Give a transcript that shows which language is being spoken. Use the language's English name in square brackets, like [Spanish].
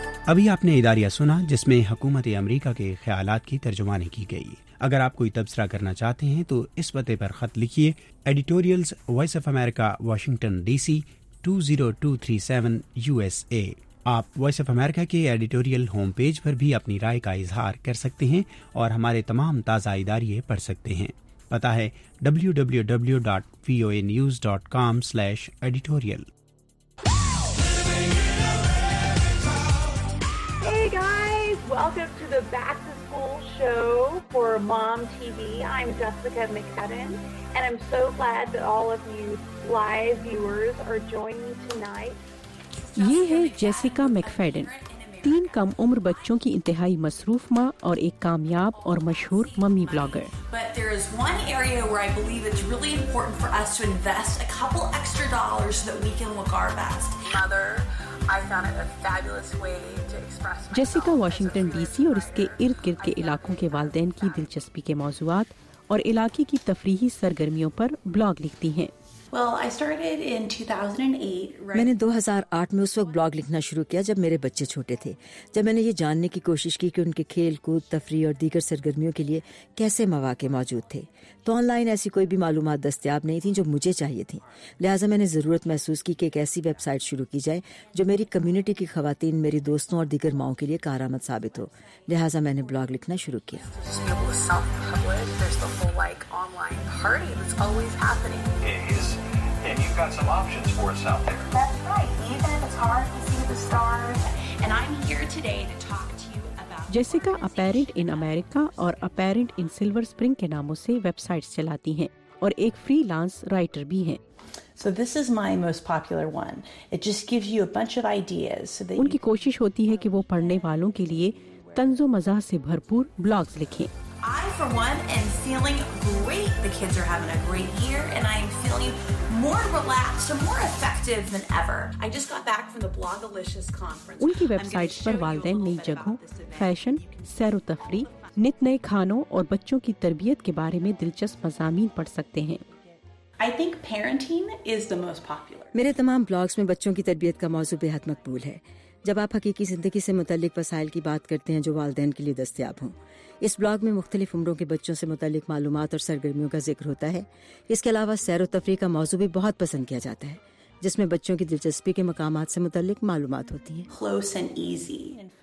[Urdu] ابھی آپ نے اداریہ سنا جس میں حکومت امریکہ کے خیالات کی ترجمانی کی گئی۔ اگر آپ کوئی تبصرہ کرنا چاہتے ہیں تو اس پتے پر خط لکھیے، editorials voice of America, Washington D C 20237 USA۔ آپ وائس آف امریکہ کے ایڈیٹوریل ہوم پیج پر بھی اپنی رائے کا اظہار کر سکتے ہیں اور ہمارے تمام تازہ اداریے پڑھ سکتے ہیں۔ پتہ ہے www.voanews.com/editorial۔ [English] Welcome to the Back to School show for Mom TV. I'm Jessica McKedden, and I'm so glad that all of you live viewers are joining tonight. [Urdu] یہ ہے جیسیکا میکفیڈن، تین کم عمر بچوں کی انتہائی مصروف ماں اور ایک کامیاب اور مشہور mummy blogger. [English] But there is one area where I believe it's really important for us to invest a couple extra dollars so that we can look our best. Mother, I found it a fabulous way to express myself. [Urdu] جیسیکا Washington D C اور اس کے ارد گرد کے علاقوں کے والدین کی دلچسپی کے موضوعات اور علاقے کی تفریحی سرگرمیوں پر بلاگ لکھتی ہیں۔ میں نے 2008 میں اس وقت بلاگ لکھنا شروع کیا جب میرے بچے چھوٹے تھے، جب میں نے یہ جاننے کی کوشش کی کہ ان کے کھیل کود، تفریح اور دیگر سرگرمیوں کے لیے کیسے مواقع موجود تھے۔ تو آن لائن ایسی کوئی بھی معلومات دستیاب نہیں تھیں جو مجھے چاہیے تھیں، لہٰذا میں نے ضرورت محسوس کی کہ ایک ایسی ویب سائٹ شروع کی جائے جو میری کمیونٹی کی خواتین، میری دوستوں اور دیگر ماؤں کے لیے کارآمد ثابت ہو، لہٰذا میں نے بلاگ لکھنا شروع کیا۔ [English] And you've got some options for us out there. That's right. Even if it's hard to see the stars. And I'm here today to talk to you. [Urdu] جیسیکا apparent ان امریکہ اور اپیرنٹ ان سلور اسپرنگ کے ناموں سے web sites چلاتی ہیں اور ایک free lance writer بھی ہیں۔ [English] So this is my most popular one. It just gives you a bunch of ideas so that [Urdu] ان کی کوشش ہوتی ہے کہ وہ پڑھنے والوں کے لیے طنز و مزاح سے بھرپور بلاگز لکھیں۔ [English] I for one am feeling great. The kids are having a great year and I am feeling more relaxed and more effective than ever. I just got back from the Blogalicious conference. [Urdu] ان کی web sites پر والدین نئی جگہوں، fashion, سیر و تفریح، نت نئے کھانوں اور بچوں کی تربیت کے بارے میں دلچسپ مضامین پڑھ سکتے ہیں۔ [English] I think parenting is the most popular. [Urdu] میرے تمام بلاگز میں بچوں کی تربیت کا موضوع بہت مقبول ہے۔ جب آپ حقیقی زندگی سے متعلق وسائل کی بات کرتے ہیں جو والدین کے لیے دستیاب ہوں، اس بلاگ میں مختلف عمروں کے بچوں سے متعلق معلومات اور سرگرمیوں کا ذکر ہوتا ہے۔ اس کے علاوہ سیر و تفریح کا موضوع بھی بہت پسند کیا جاتا ہے جس میں بچوں کی دلچسپی کے مقامات سے متعلق معلومات ہوتی ہیں۔